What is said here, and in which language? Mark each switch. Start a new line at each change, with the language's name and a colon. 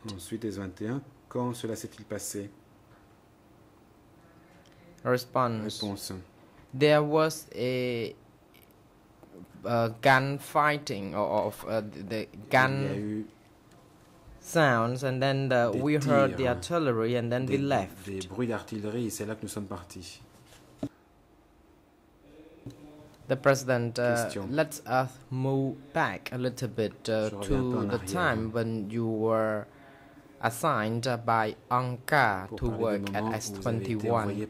French: Ensuite, S21, quand cela s'est-il passé?
English: Response. There was a gun fighting, the gun sounds, and then we
French: tirs,
English: heard the artillery, and then we left.
French: Des bruits d'artillerie, c'est là que nous sommes partis.
English: The President, let's move back a little bit to the time when you were assigned by ANCA to work at S21.